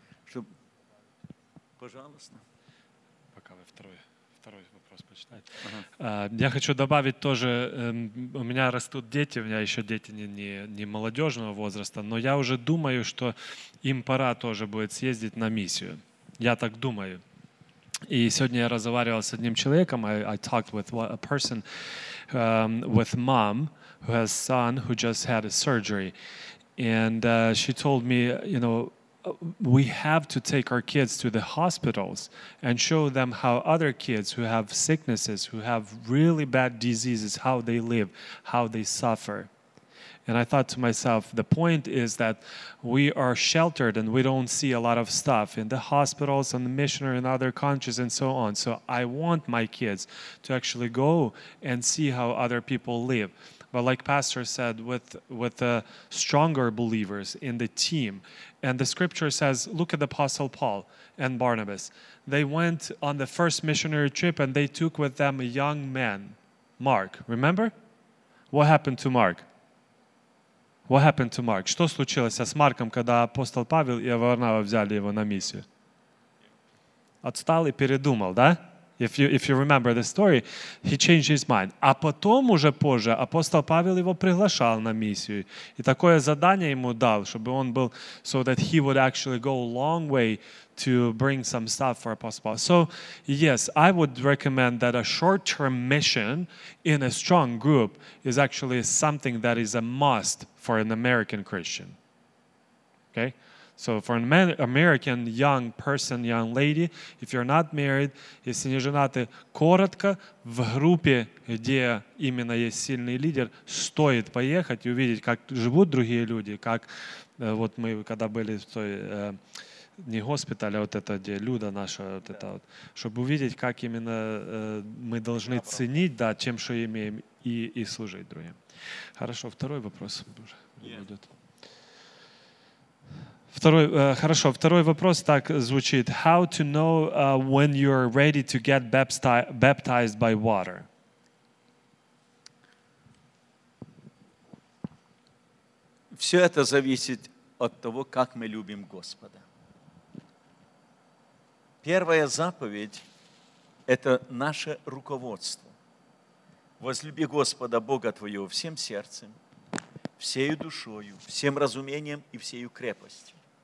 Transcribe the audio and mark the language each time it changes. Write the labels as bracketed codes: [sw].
[ru] Чтобы... Пожалуйста. Пока вы второй вопрос почитаете. Ага. Я хочу добавить тоже, у меня растут дети, у меня еще дети не молодежного возраста, но я уже думаю, что им пора тоже будет съездить на миссию. Я так думаю. И сегодня я разговаривал с одним человеком, [en] I talked with a person, with mom, who has a son who just had a surgery. And she told me, you know, we have to take our kids to the hospitals and show them how other kids who have sicknesses, who have really bad diseases, how they live, how they suffer. And I thought to myself, the point is that we are sheltered and we don't see a lot of stuff in the hospitals and the missionary and other countries and so on. So I want my kids to actually go and see how other people live. But like Pastor said, with the stronger believers in the team. And the scripture says, look at the Apostle Paul and Barnabas. They went on the first missionary trip and they took with them a young man, Mark. Remember? What happened to Mark? [ru] Что случилось с Марком, когда апостол Павел и Варнава взяли его на миссию? Отстал и передумал, да? [en] If you remember the story, he changed his mind. [ru] А потом, уже позже, апостол Павел его приглашал на миссию. И такое задание ему дал, чтобы он был, [en] so that he would actually go a long way to bring some stuff for Apostle Paul. So, yes, I would recommend that a short-term mission in a strong group is actually something that is a must for an American Christian. Okay? So for an American young person, young lady, if you're not married, [ru] если не женаты, коротко в группе, где именно есть сильный лидер, стоит поехать и увидеть, как живут другие люди, как вот мы когда были в той, не госпиталь, а вот это, где Люда наша, вот это вот, чтобы увидеть, как именно мы должны ценить, да, тем, что имеем, и служить другим. Хорошо, второй вопрос будет. Второй, хорошо, второй вопрос так звучит. [en] How to know when you're ready to get baptized by water? [ru] Все это зависит от того, как мы любим Господа. Первая заповедь – это наше руководство. Возлюби Господа Бога твоего всем сердцем, всею душою, всем разумением и всею крепостью.